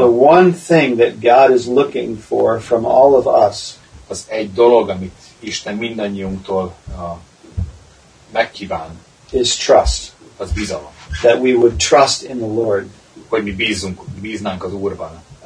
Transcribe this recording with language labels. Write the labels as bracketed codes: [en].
[en] the one thing that God is looking for from all of us, [hu] az egy dolog, amit Isten mindannyiunktól megkíván, [en] is trust. [hu] Az bizalom. [en] That we would trust in the Lord. [hu] Hogy mi bíznánk az Úrban.